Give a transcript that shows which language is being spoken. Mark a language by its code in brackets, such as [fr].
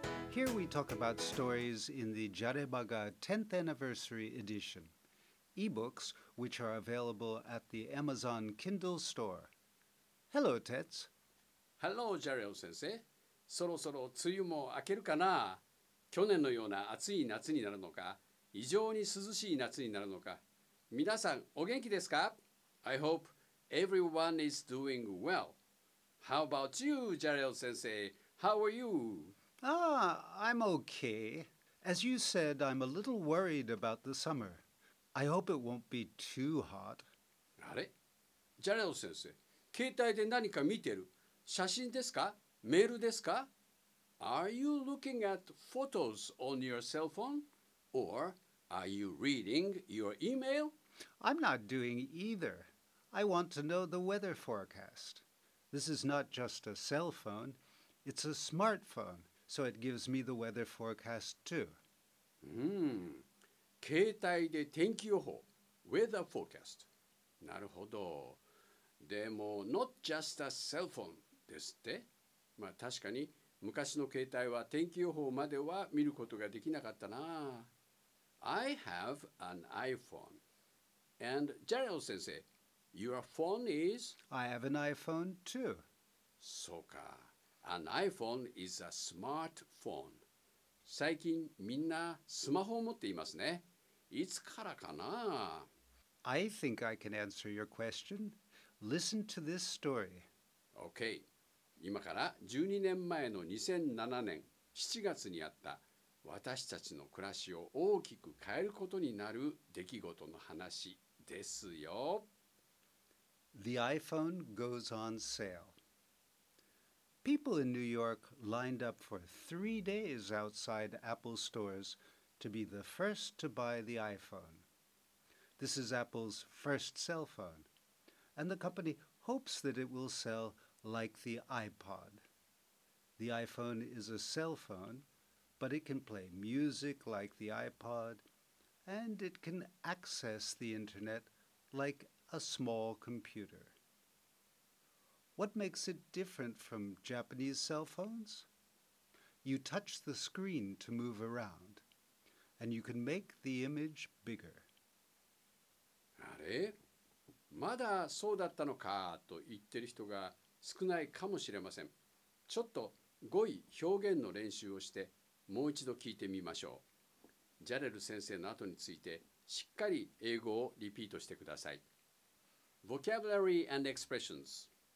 [en] Here we talk about stories in the Jaremaga 10th Anniversary Edition, ebooks which are available at the Amazon Kindle store. Hello, Tets. Hello, Jareo-sensei. [ja] そろそろ梅雨も明けるかな。去年のような暑い夏になるのか、異常に涼しい夏になるのか。皆さん、お元気ですか? [en] I hope everyone is doing well. How about you, Jareo-sensei? How are you? Ah, I'm okay. As you said, I'm a little worried about the summer. I hope it won't be too hot. [ja] あれ? Jareo-sensei, 携帯で何か見てる? 写真ですか?メールですか? [en] Are you looking at photos on your cell phone? Or are you reading your email? I'm not doing either. I want to know the weather forecast. This is not just a cell phone. It's a smartphone, so it gives me the weather forecast too. [ja] 携帯で天気予報。 [en] Weather forecast. [ja] なるほど。でも、 [en] not just a cell phone [ja] ですって? まあ確かに昔の携帯は天気予報までは見ることができなかったな。 [en] I have an iPhone. And Jareo-sensei, your phone is? I have an iPhone too. [ja] そうか。 [en] An iPhone is a smartphone. [ja] 最近みんなスマホを持っていますね。いつからかな? [en] I think I can answer your question. Listen to this story. Okay. [ja] 今から12年前の2007年7月にあった私たちの暮らしを大きく変えることになる出来事の話ですよ。 [en] The iPhone goes on sale. People in New York lined up for 3 days outside Apple stores to be the first to buy the iPhone. This is Apple's first cell phone, and the company hopes that it will sell. Like the iPod. The iPhone is a cell phone, but it can play music like the iPod, and it can access the internet like a small computer. What makes it different from Japanese cell phones? You touch the screen to move around, and you can make the image bigger. [ja] あれ? まだそうだったのかと言ってる人が少ないかもしれません。ちょっと語彙表現の練習をしてもう一度聞いてみましょう。ジャレル先生の後についてしっかり英語をリピートしてください。 [en] Vocabulary and expressions.